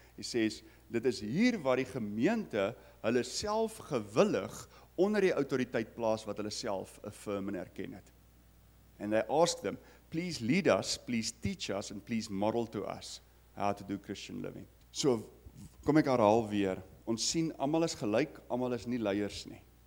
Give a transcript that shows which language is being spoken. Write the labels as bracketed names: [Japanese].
[English] He says, [Afrikaans] dit is hier waar die gemeente hulle self gewillig onder die autoriteit plaas wat hulle self affirm en erken het. [English] And they ask them, please lead us, please teach us, and please model to us how to do Christian living. [Afrikaans] So, kom ek herhaal weer. Ons sien, almal is gelyk, almal is nie leiers nie.